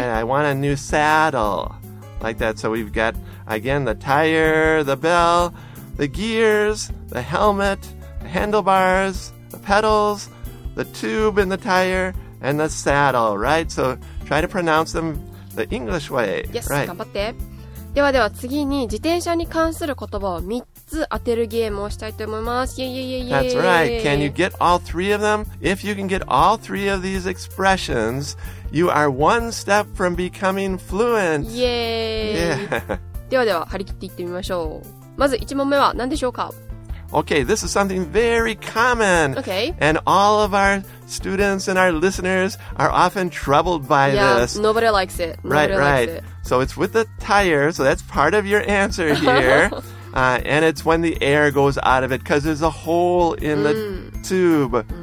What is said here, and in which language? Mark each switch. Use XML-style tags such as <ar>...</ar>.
<en>Right, I want a new saddle. Like that. So we've got, again, the tire, the bell, the gears, the helmet, the handlebars, the pedals, the tube in the tire, and the saddle, right? So try to pronounce them the English way. Yes, right.</en> <ja>頑張って。ではでは次に自転車に関する言葉を3つ当てるゲームをしたいと思います。</ja> <en>Yeah. That's right. Can you get all three of them? If you can get all three of these expressions... You are one step from becoming fluent. Yay! Yeah.</en> <ja>ではでは、張り切っていってみましょう。まず1問目は何でしょうか?</ja> <en>Okay, this is something very common. Okay. And all of our students and our listeners are often troubled by this. Yeah, nobody likes it. Right. So it's with the tire, so that's part of your answer here. and it's when the air goes out of it, because there's a hole in the tube.</en>